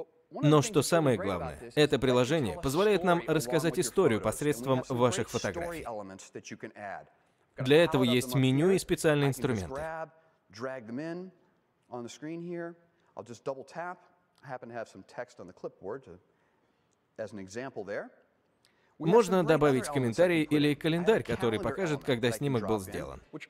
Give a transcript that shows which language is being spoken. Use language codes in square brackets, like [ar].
[ru] Но что самое главное, это приложение позволяет нам рассказать историю посредством ваших фотографий. Для этого есть меню и специальные инструменты. [en] Drag them in on the screen here. I'll just double tap. I happen to have some text on the clipboard to, as an example there. [ru] Можно добавить комментарий или календарь, который покажет, когда снимок был сделан.